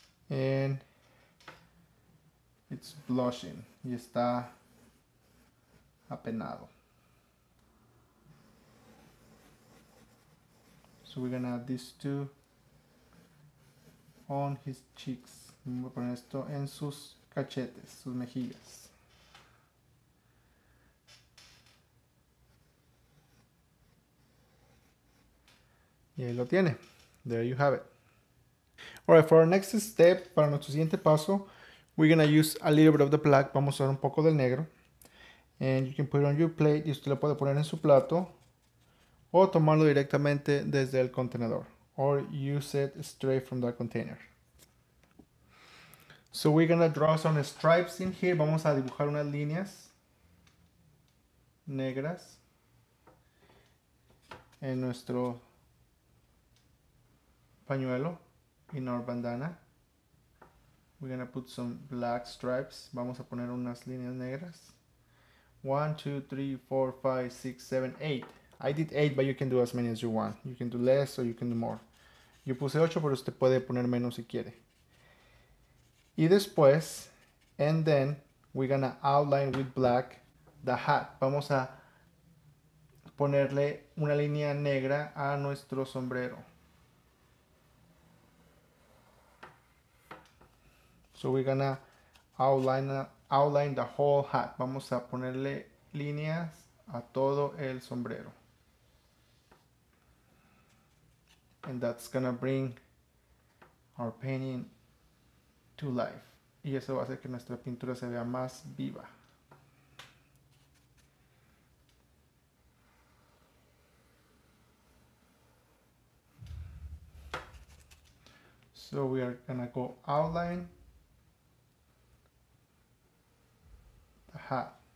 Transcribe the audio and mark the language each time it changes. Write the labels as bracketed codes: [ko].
[en] And it's blushing. [es] Y está apenado. [en] So we're gonna add these two on his cheeks. [es] Voy a poner esto en sus cachetes, sus mejillas. Y ahí lo tiene. [en] There you have it. Alright, for our next step, [es] para nuestro siguiente paso, [en] we're gonna use a little bit of the black. [es] Vamos a usar un poco del negro. [en] And you can put it on your plate. [es] Y usted lo puede poner en su plato. O tomarlo directamente desde el contenedor. [en] Or use it straight from the container. So we're gonna draw some stripes in here. [es] Vamos a dibujar unas líneas negras en nuestro pañuelo, [en] in our bandana. We're gonna put some black stripes. [es] Vamos a poner unas líneas negras. [en] 1, 2, 3, 4, 5, 6, 7, 8. I did 8, but you can do as many as you want. You can do less or you can do more. [es] Yo puse 8, pero usted puede poner menos si quiere. Y después, [en] and then, we're gonna outline with black the hat. [es] Vamos a ponerle una línea negra a nuestro sombrero. [en] So we're gonna outline the whole hat. [es] Vamos a ponerle líneas a todo el sombrero. [en] And that's gonna bring our painting to life. [es] Y eso va a hacer que nuestra pintura se vea más viva. [en] So we are gonna go outline the hat.